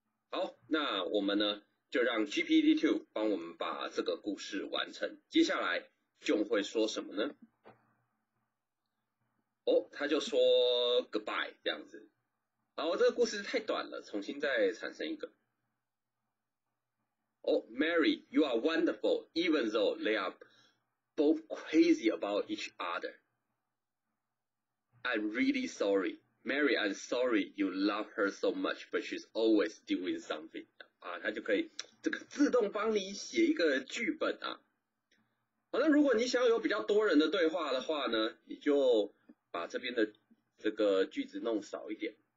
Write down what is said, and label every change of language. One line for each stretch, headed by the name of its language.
Chinese: 好，那我们呢就让 GPT-2 帮我们把这个故事完成，接下来就会说什么呢？他就说 goodbye 这样子。好，这个故事太短了，重新再产生一个。
English: Mary you are wonderful even though they areBoth crazy about each other. I'm really sorry. Mary, I'm sorry you love her so much, but she's always doing something.
Chinese: 他就可以这个自动帮你写一个剧本啊。好，那如果你想有比较多人的对话的话呢，你就把这边的这个句子弄少一点。